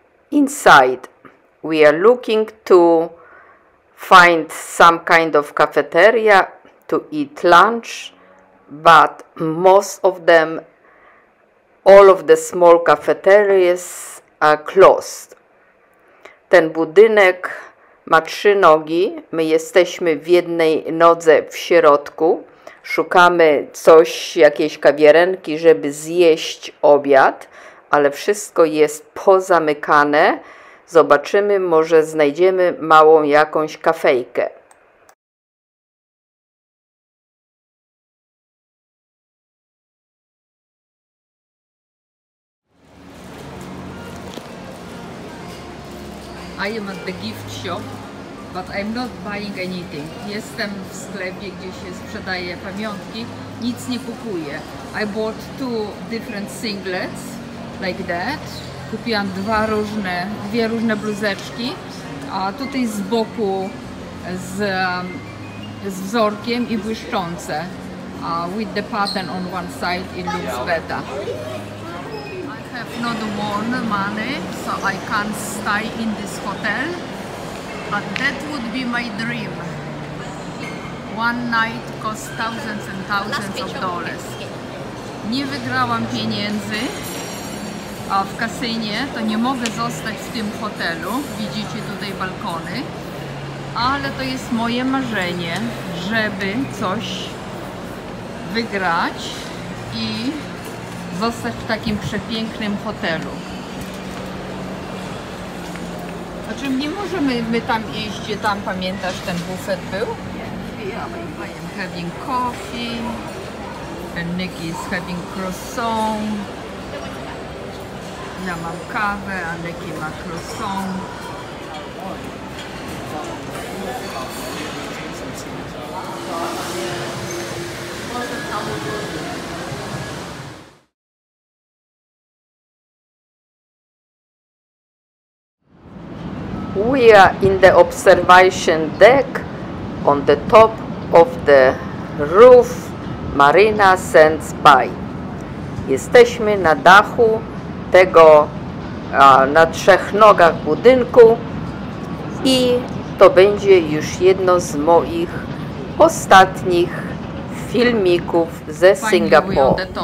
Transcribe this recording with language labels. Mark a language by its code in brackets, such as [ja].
[en] Inside, we are looking to find some kind of cafeteria to eat lunch, but most of them, all of the small cafeterias are closed. [pl] Ten budynek ma trzy nogi, my jesteśmy w jednej nodze w środku, szukamy coś, jakiejś kawiarenki, żeby zjeść obiad, ale wszystko jest pozamykane. Zobaczymy, może znajdziemy małą jakąś kafejkę. [en] I am at the gift shop, but I'm not buying anything. [pl] Jestem w sklepie, gdzie się sprzedaje pamiątki. Nic nie kupuję. [en] I bought two different singlets, like that. [pl] Kupiłam dwie różne bluzeczki. A tutaj z boku z wzorkiem i błyszczące. [en] With the pattern on one side, it looks better. I have not won money, so I can't stay in this hotel, but that would be my dream. One night costs thousands and thousands of dollars. [pl] Nie wygrałam pieniędzy, a w kasynie, to nie mogę zostać w tym hotelu. Widzicie tutaj balkony, ale to jest moje marzenie, żeby coś wygrać i zostać w takim przepięknym hotelu. Znaczy nie możemy my tam iść, gdzie tam, pamiętasz, ten bufet był? [en] Yeah, I am having coffee. And Nick is having croissant. [pl] Ja mam kawę, a Nick ma croissant. [en] We are in the observation deck on the top of the roof Marina Sands Bay. [pl] Jesteśmy na dachu tego na trzech nogach budynku i to będzie już jedno z moich ostatnich filmików ze Singapuru.